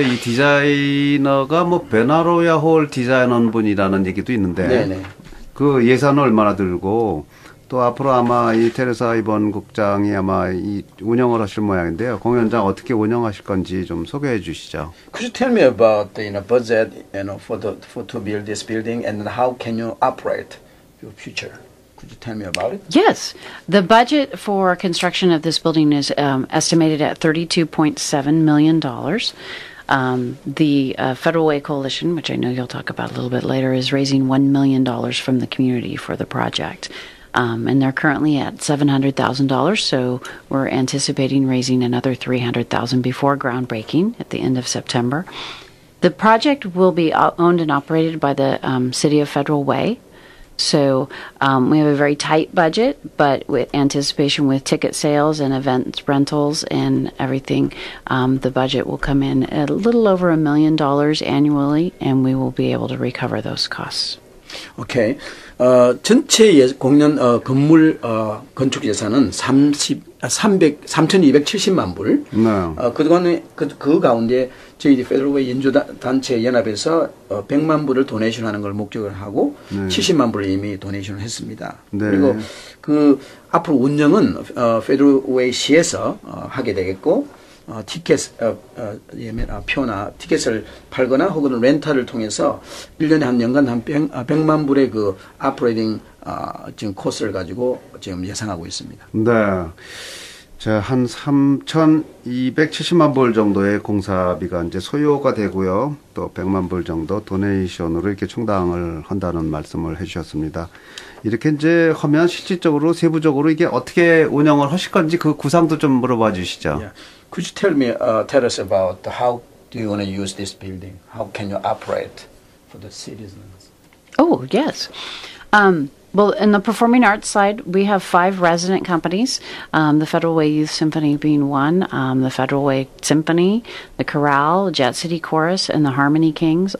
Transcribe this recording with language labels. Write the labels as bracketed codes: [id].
[ko] 이 디자이너가 뭐 베나로야 홀 디자이너 분이라는 얘기도 있는데. 네네. 그 예산 얼마나 들고 또 앞으로 아마 이 테레사 이번 국장이 아마 이 운영을 하실 모양인데요. 공연장 어떻게 운영하실 건지 좀 소개해 주시죠. [en] Could you tell me about the you know, budget you know, for to build this building and how can you operate your future? Could you tell me about it? Yes. The budget for construction of this building is estimated at $32.7 million. The Federal Way Coalition, which I know you'll talk about a little bit later, is raising $1 million from the community for the project. And they're currently at $700,000, so we're anticipating raising another $300,000 before groundbreaking at the end of September. The project will be owned and operated by the City of Federal Way. So we have a very tight budget, but with anticipation with ticket sales and event rentals and everything, the budget will come in a little over $1 million annually, and we will be able to recover those costs. Okay. [ko] 전체 공연 건물 건축 예산은 3,270만 불. 네. 그 가운데 저희 페더럴웨이 연주 단체 연합에서 100만 불을 도네이션하는 걸 목적으로 하고 네. 70만 불을 이미 도네이션을 했습니다. 네. 그리고 그 앞으로 운영은 페더럴웨이 시에서 하게 되겠고 티켓 표나 티켓을 팔거나 혹은 렌탈을 통해서 1년에 한 연간 한 100만 불의 그 아프레이딩 지금 코스를 가지고 지금 예상하고 있습니다. 네. 자, 한 3,270만 불 정도의 공사비가 이제 소요가 되고요. 또 100만 불 정도 도네이션으로 이렇게 충당을 한다는 말씀을 해 주셨습니다. 이렇게 이제 하면 실질적으로 세부적으로 이게 어떻게 운영을 하실 건지 그 구상도 좀 물어봐 주시죠. [en] Yeah. Could you tell me tell us about how do you want to use this building? How can you operate for the citizens? Oh, yes. Well, in the performing arts side, we have five resident companies, the Federal Way Youth Symphony being one, the Federal Way Symphony, the Chorale, Jet City Chorus, and the Harmony Kings.